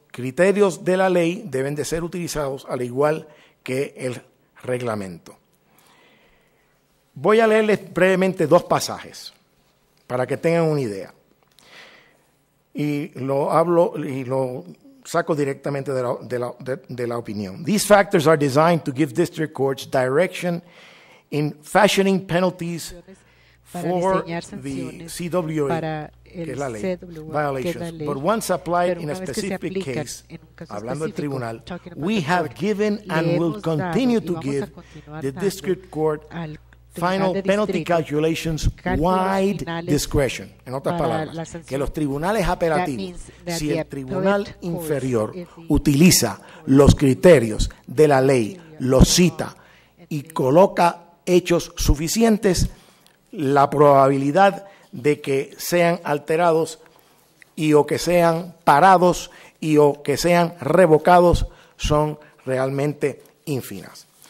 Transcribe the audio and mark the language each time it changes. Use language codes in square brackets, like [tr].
[es] criterios de la ley deben de ser utilizados al igual que el reglamento. Voy a leerles brevemente dos pasajes para que tengan una idea. Y lo hablo y lo saco directamente de la opinión. [en] These factors are designed to give district courts direction in fashioning penalties for the CWA, [es] que es la ley, [en] violations. But once applied in a specific case, [es] hablando del tribunal, [en] we have given and will continue to give the district court final penalty calculations wide discretion. [es] En otras palabras, que los tribunales apelativos, si el tribunal inferior utiliza los criterios de la ley, los cita y coloca hechos suficientes, la probabilidad de que sean alterados y o que sean parados y o que sean revocados son realmente ínfimas.